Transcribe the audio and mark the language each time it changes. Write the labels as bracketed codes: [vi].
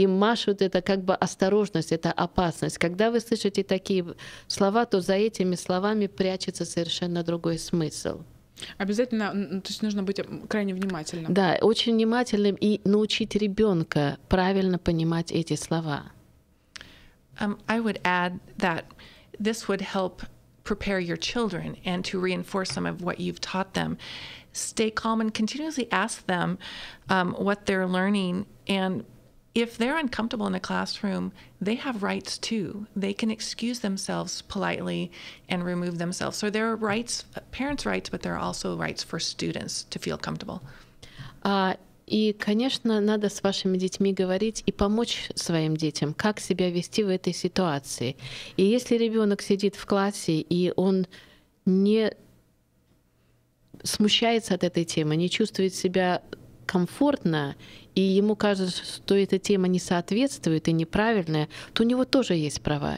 [ru] Им машут, это как бы осторожность, это опасность. Когда вы слышите такие слова, то за этими словами прячется совершенно другой смысл. Обязательно, то есть нужно быть крайне внимательным. Да, очень внимательным и научить ребенка правильно понимать эти слова. [en] I would add that this would help prepare your children and to reinforce some of what you've taught them. Stay calm and continuously ask them what they're learning. And if they're uncomfortable in the classroom, they have rights too. They can excuse themselves politely and remove themselves. So there are rights, parents' rights, but there are also rights for students to feel comfortable. [ru] И, конечно, надо с вашими детьми говорить и помочь своим детям, как себя вести в этой ситуации. И если ребенок сидит в классе, и он не смущается от этой темы, не чувствует себя комфортно, и ему кажется, что эта тема не соответствует и неправильная, то у него тоже есть права.